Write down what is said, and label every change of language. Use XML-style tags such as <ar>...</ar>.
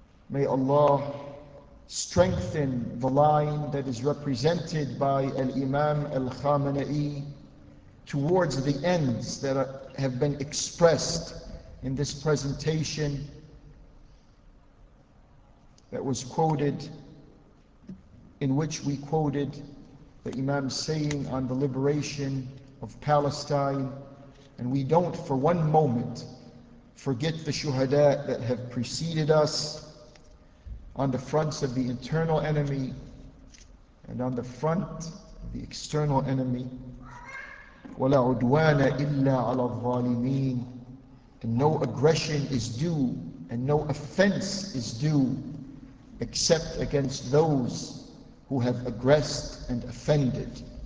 <en>May Allah strengthen the line that is represented by al-Imam al-Khamenei towards the ends that have been expressed in this presentation that was quoted, in which we quoted the Imam's saying on the liberation of Palestine. And we don't for one moment forget the shuhada that have preceded us on the fronts of the internal enemy and on the front the external enemy.</en> <ar>ولا عدوان إلا على الظالمين.</ar> <en>And no aggression is due, and no offense is due, except against those who have aggressed and offended.</en>